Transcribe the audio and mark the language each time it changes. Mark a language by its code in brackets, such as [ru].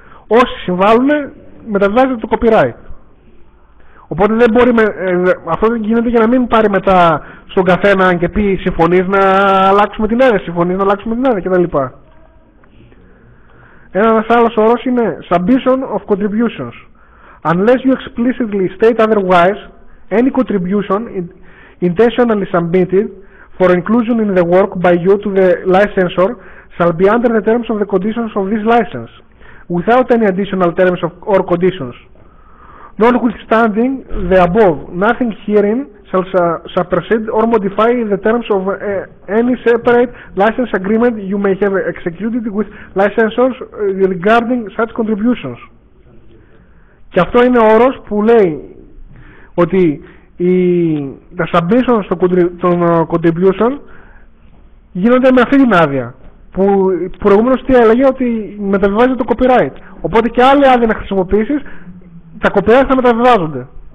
[el] Όσοι συμβάλλουν μεταβιβάζεται το copyright. Οπότε δεν μπορεί με, αυτό δεν γίνεται για να μην πάρει μετά στον καθένα και πει συμφωνείς να αλλάξουμε την άδεια, συμφωνείς να αλλάξουμε την άδεια κτλ. Ένας άλλος όρος είναι [en] submission of contributions. Unless you explicitly state otherwise, any contribution intentionally submitted for inclusion in the work by you to the licensor shall be under the terms of the conditions of this license, without any additional terms of or conditions. Notwithstanding the above, nothing herein shall supersede or modify the terms of any separate license agreement you may have executed with licensors regarding such contributions. [el] Και αυτό είναι ο όρος που λέει ότι τα submission των contribution γίνονται με αυτή την άδεια που προηγούμενος τι έλεγε, ότι μεταβιβάζεται το copyright. Οπότε και άλλη άδεια να χρησιμοποιήσεις, τα copyright θα μεταβιβάζονται.